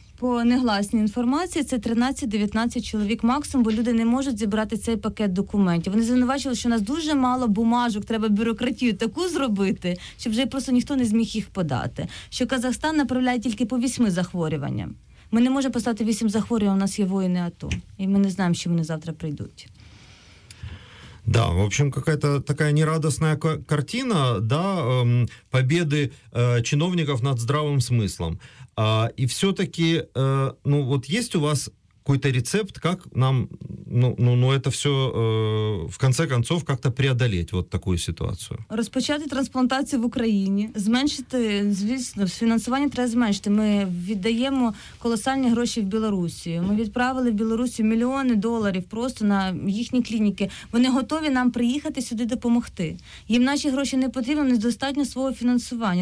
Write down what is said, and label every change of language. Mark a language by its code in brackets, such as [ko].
[uk] По негласній інформації, це 13-19 чоловік максимум, бо люди не можуть зібрати цей пакет документів. Вони звинувачили, що у нас дуже мало бумажок, треба бюрократію таку зробити, щоб вже просто ніхто не зміг їх подати. Що Казахстан направляє тільки по 8 захворюванням. Ми не можемо послати 8 захворювань, у нас є воїни АТО. І ми не знаємо, що вони завтра прийдуть. [ru] Да, в общем, какая-то такая нерадостная картина, да, победы чиновников над здравым смыслом. И все-таки, ну вот есть у вас какой-то рецепт, как нам, ну это все в конце концов как-то преодолеть вот такую ситуацию? [uk] Розпочати трансплантацію в Україні, зменшити, звісно, фінансування треба зменшити. Ми віддаємо колосальні гроші в Білорусі. Ми відправили в Білорусі мільйони доларів просто на їхні клініки. Вони готові нам приїхати сюди допомогти. Їм наші гроші не потрібні, вони достатньо свого фінансування.